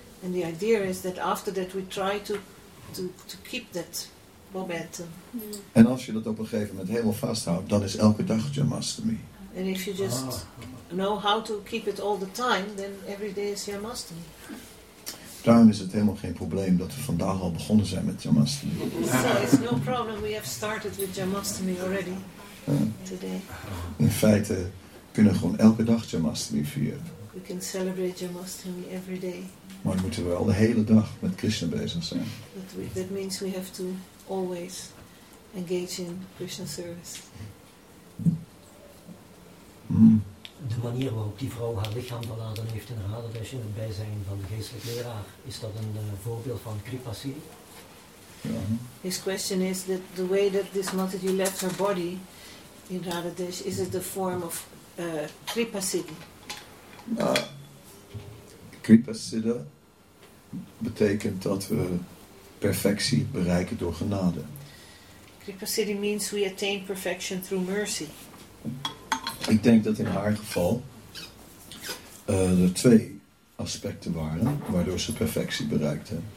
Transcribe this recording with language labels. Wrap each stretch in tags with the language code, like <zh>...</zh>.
<en>And the idea is that after that we try to keep that momentum. Mm.</en> <nl>En als je dat op een gegeven moment helemaal vasthoudt, dan is elke dag Jamashtami.</nl> <en>And if you just know how to keep it all the time, then every day is Jamashtami.</en> <nl>Daarom is het helemaal geen probleem dat we vandaag al begonnen zijn met Jamashtami.</nl> <en>So it's no problem, we have started with Jamashtami already today.</en> <nl>In feite kunnen we gewoon elke dag Jamashtami vieren.</nl> <en>We can celebrate Jamashtami every day.</en> <nl>Maar dan moeten we al de hele dag met Krishna bezig zijn.</nl> <en>That means we have to always engage in Krishna service. Mm.</en> <nl>De manier waarop die vrouw haar lichaam beladen heeft in haar hadas in het bijzijn van de geestelijke leraar, is dat een voorbeeld van kripasie? Ja.</nl> <en>His question is that the way that this Mataji left her body in hadas, is it the form of kripasie?</en> <nl>Kripasiddha betekent dat we perfectie bereiken door genade.</nl> <en>Kripasiddha means we attain perfection through mercy.</en> <nl>Ik denk dat in haar geval er twee aspecten waren waardoor ze perfectie bereikte.</nl>